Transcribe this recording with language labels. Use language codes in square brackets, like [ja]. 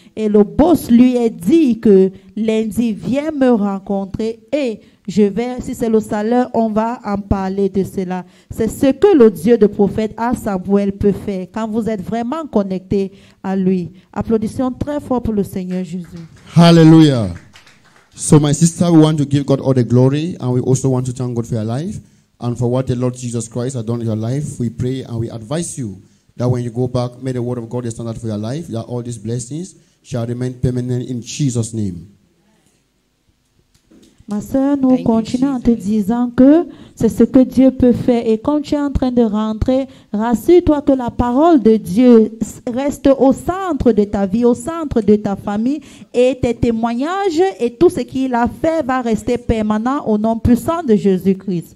[fr] Et le boss lui a dit que lundi, viens me rencontrer et je vais, si c'est le salaire, on va en parler de cela. C'est ce que le Dieu de prophète à Samuel peut faire quand vous êtes vraiment connecté à lui. Applaudissons très fort pour le Seigneur Jésus. [en] Hallelujah. So my sister, we want to give God all the glory and we also want to thank God for your life. And for what the Lord Jesus Christ has done in your life, we pray and we advise you that when you go back, may the word of God stand out for your life, that all these blessings shall remain permanent in Jesus' name. [fr] Ma sœur, nous continuons en te disant que c'est ce que Dieu peut faire. Et quand tu es en train de rentrer, rassure-toi que la parole de Dieu reste au centre de ta vie, au centre de ta famille. Et tes témoignages et tout ce qu'il a fait va rester permanent au nom puissant de Jésus-Christ.